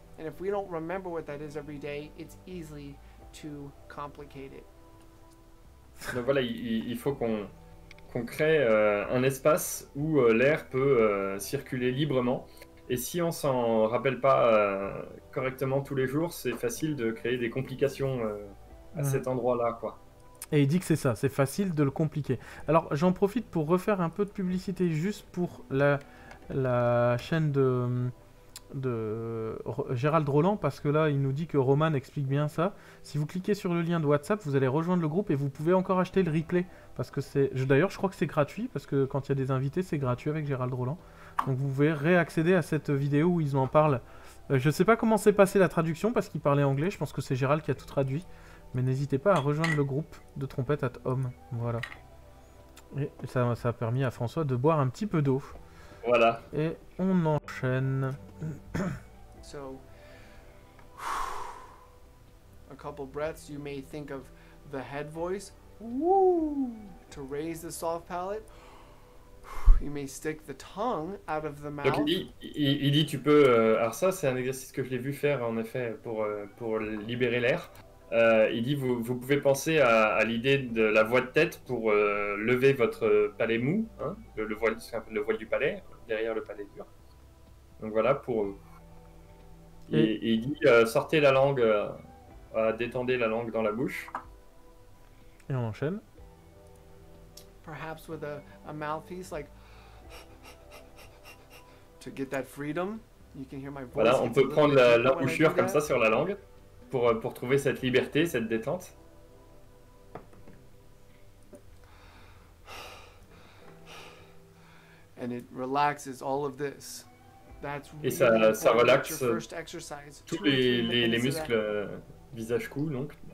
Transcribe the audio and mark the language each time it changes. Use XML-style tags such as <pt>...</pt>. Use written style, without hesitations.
<en>And if we don't remember what that is every day, it's easy to complicate it.</en> <fr>Donc voilà, il faut qu'on crée un espace où l'air peut circuler librement. Et si on s'en rappelle pas correctement tous les jours, c'est facile de créer des complications à cet endroit-là, quoi. Et il dit que c'est ça, c'est facile de le compliquer. Alors j'en profite pour refaire un peu de publicité juste pour la chaîne de Gérald Roland, parce que là, il nous dit que Roman explique bien ça. Si vous cliquez sur le lien de WhatsApp, vous allez rejoindre le groupe et vous pouvez encore acheter le replay. Parce que c'est... D'ailleurs, je crois que c'est gratuit, parce que quand il y a des invités, c'est gratuit avec Gérald Roland. Donc vous pouvez réaccéder à cette vidéo où ils en parlent. Je ne sais pas comment s'est passée la traduction, parce qu'il parlait anglais. Je pense que c'est Gérald qui a tout traduit. Mais n'hésitez pas à rejoindre le groupe de Trompette at Home. Voilà. Et ça a permis à François de boire un petit peu d'eau. Voilà. Et on enchaîne.</fr> <en>So, a couple breaths, you may think of the head voice. Woo! To raise the soft palate. You may stick the tongue out of the mouth.</en> <fr>Donc il dit tu peux... Alors ça, c'est un exercice que je l'ai vu faire, en effet, pour libérer l'air. Il dit, vous pouvez penser à l'idée de la voix de tête pour lever votre palais mou, hein, le voile du palais, derrière le palais dur. Donc voilà, pour... Il dit, sortez la langue, détendez la langue dans la bouche. Et on enchaîne.</fr> <en>Perhaps with a mouthpiece, like... To get that freedom, you can hear my voice.</en> <fr>Voilà, on peut prendre l'embouchure comme ça sur la langue. Pour trouver cette liberté, cette détente.</fr> <en>And it relaxes all of this. That's really</en> <fr>et ça relaxe tous les muscles, visage, cou, donc.</fr>